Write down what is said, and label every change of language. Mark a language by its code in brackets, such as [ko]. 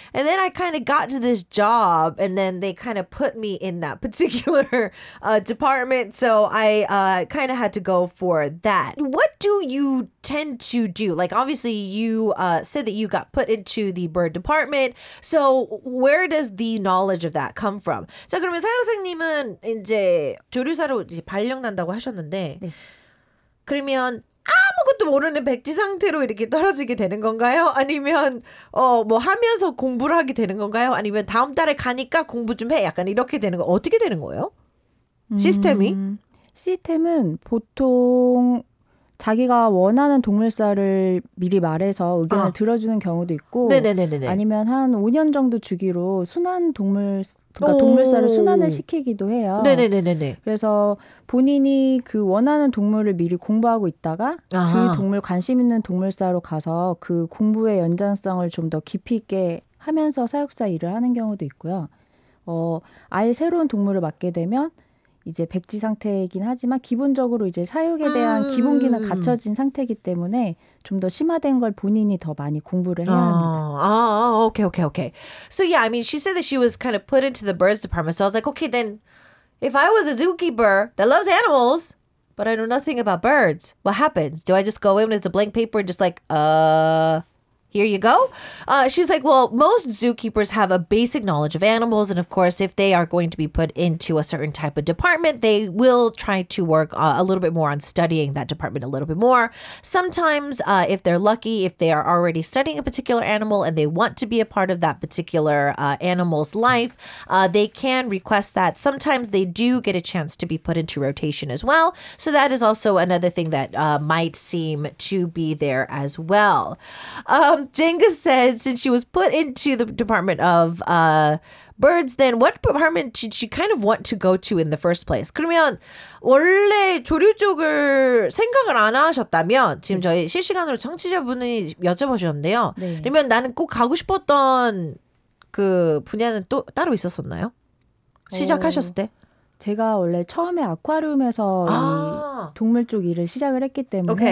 [en] And then I kind of got to this job and then they kind of put me in that particular department. So I kind of had to go for that. What do you tend to do? Like, obviously, you said that you got put into the bird department. So where does the knowledge of that come from? [ko] 자, 그러면 사육사님은 이제 조류사로 이제 발령 난다고 하셨는데 네. 그러면 아무것도 모르는 백지 상태로 이렇게 떨어지게 되는 건가요? 아니면 뭐 하면서 공부를 하게 되는 건가요? 아니면 다음 달에 가니까 공부 좀 해? 약간 이렇게 되는 거 어떻게 되는 거예요? 시스템이? 시스템은 보통 자기가 원하는 동물살을 미리 말해서 의견을 아. 들어주는 경우도 있고 네네네네네. 아니면 한 5년 정도 주기로 순환 동물 그러니까 동물살을 순환을 시키기도 해요. 네네네네. 그래서 본인이 그 원하는 동물을 미리 공부하고 있다가 아. 그 동물 관심 있는 동물살로 가서 그 공부의 연장성을 좀 더 깊이 있게 하면서 사육사 일을 하는 경우도 있고요. 아예 새로운 동물을 맡게 되면 이제 백지 상태이긴 하지만 기본적으로 이제 사육에 대한 기본기는 갖춰진 상태이기 때문에 좀 더 심화된 걸 본인이 더 많이 공부를 해야 합니다. [en] 아, 오케이, 오케이, 오케이. So yeah, I mean, she said that she was kind of put into the birds department. So I was like, okay, then if I was a zookeeper that loves animals, but I know nothing about birds, what happens? Do I just go in with a blank paper and just like, here you go? She's like, well, most zookeepers have a basic knowledge of animals. And of course, if they are going to be put into a certain type of department, they will try to work a little bit more on studying that department a little bit more. Sometimes, if they're lucky, if they are already studying a particular animal and they want to be a part of that particular animal's life, they can request that. Sometimes they do get a chance to be put into rotation as well. So that is also another thing that might seem to be there as well. Jenga said since she was put into the department of birds, then what department did she kind of want to go to in the first place? [ko] 그러면 원래 조류 쪽을 생각을 안 하셨다면 지금 네. 저희 실시간으로 청취자분이 여쭤보셨는데요. 네. 그러면 나는 꼭 가고 싶었던 그 분야는 또 따로 있었었나요? 시작하셨을 때? 제가 원래 처음에 아쿠아리움에서 아. 이 동물 쪽 일을 시작을 했기 때문에